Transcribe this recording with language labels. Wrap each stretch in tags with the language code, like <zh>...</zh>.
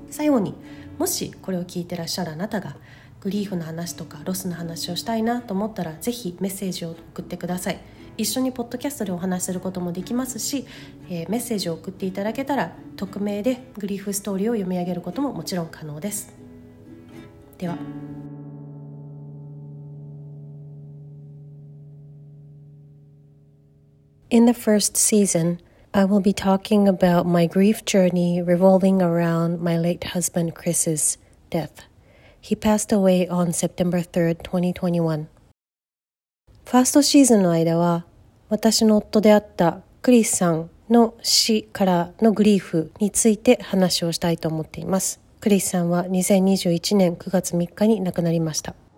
<ja>最後に、もしこれを聞いてらっしゃるあなたがグリーフの話とかロスの話をしたいなと思ったら、ぜひメッセージを送ってください。一緒にポッドキャストでお話しすることもできますし、メッセージを送っていただけたら匿名でグリーフストーリーを読み上げることももちろん可能です。では、</ja> <en>In the first season, I will be talking about my grief journey revolving around my late husband Chris's death. He passed away on September 3rd, 2021.</en> <ja>ファーストシーズンの間は、私の夫であったクリスさんの死からのグリーフについて話をしたいと思っています。クリスさんは2021年9月3日に亡くなりました。</ja>